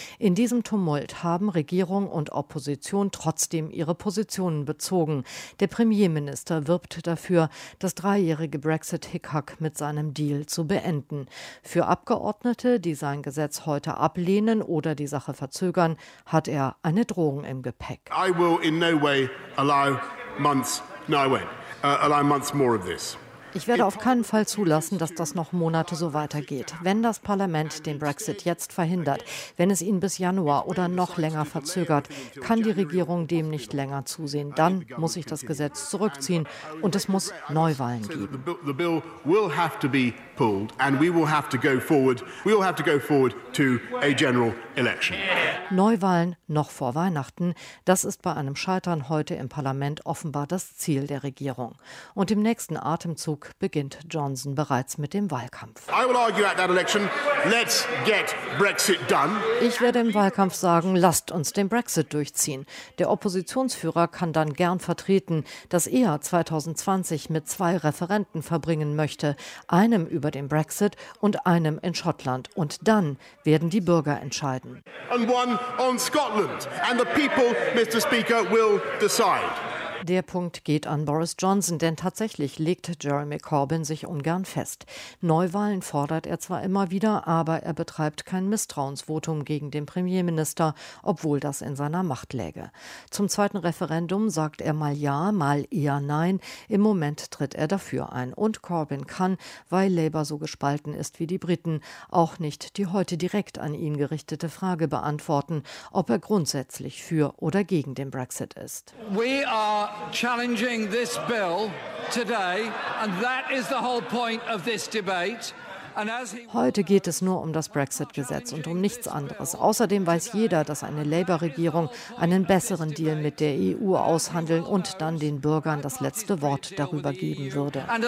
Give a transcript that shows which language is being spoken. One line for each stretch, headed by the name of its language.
German: In diesem Tumult haben Regierung und Opposition trotzdem ihre Positionen bezogen. Der Premierminister wirbt dafür, das 3-jährige Brexit-Hickhack mit seinem Deal zu beenden. Für Abgeordnete, die sein Gesetz heute ablehnen, oder die Sache verzögern, hat er eine Drohung im Gepäck.
English: I will in no way allow months, allow months more of this.
German: Ich werde auf keinen Fall zulassen, dass das noch Monate so weitergeht. Wenn das Parlament den Brexit jetzt verhindert, wenn es ihn bis Januar oder noch länger verzögert, kann die Regierung dem nicht länger zusehen. Dann muss ich das Gesetz zurückziehen und es muss Neuwahlen geben.
English: pulled, and we will have to go forward. We will have to go forward to a general election.
German: Neuwahlen noch vor Weihnachten. Das ist bei einem Scheitern heute im Parlament offenbar das Ziel der Regierung. Und im nächsten Atemzug beginnt Johnson bereits mit dem Wahlkampf.
English: I will argue at that election, let's get Brexit done.
German: Ich werde im Wahlkampf sagen, lasst uns den Brexit durchziehen. Der Oppositionsführer kann dann gern vertreten, dass er 2020 mit zwei Referenden verbringen möchte, einem über den Brexit und einem in Schottland. Und dann werden die Bürger entscheiden.
English: And one on Scotland. And the people, Mr. Speaker, will decide.
German: Der Punkt geht an Boris Johnson, denn tatsächlich legt Jeremy Corbyn sich ungern fest. Neuwahlen fordert er zwar immer wieder, aber er betreibt kein Misstrauensvotum gegen den Premierminister, obwohl das in seiner Macht läge. Zum zweiten Referendum sagt er mal ja, mal eher nein. Im Moment tritt er dafür ein. Und Corbyn kann, weil Labour so gespalten ist wie die Briten, auch nicht die heute direkt an ihn gerichtete Frage beantworten, ob er grundsätzlich für oder gegen den Brexit ist.
English: Challenging this bill today, and that is the whole point of this debate.
German: Heute geht es nur um das Brexit-Gesetz und um nichts anderes. Außerdem weiß jeder, dass eine Labour-Regierung einen besseren Deal mit der EU aushandeln und dann den Bürgern das letzte Wort darüber geben würde.